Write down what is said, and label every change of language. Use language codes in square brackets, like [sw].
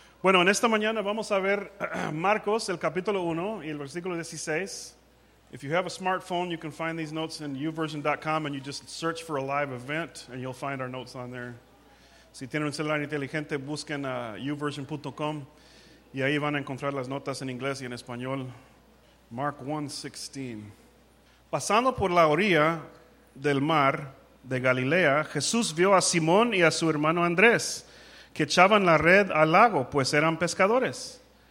[es] Bueno, en esta mañana vamos a ver Marcos, el capítulo 1 y el versículo 16. [en] If you have a smartphone, you can find these notes in uversion.com and you just search for a live event and you'll find our notes on there. [es] Si tienen un celular inteligente, busquen uversion.com y ahí van a encontrar las notas en inglés y en español. Mark 1:16. Pasando por la orilla del mar de Galilea, Jesús vio a Simón y a su hermano Andrés, que echaban la red al lago, pues eran pescadores.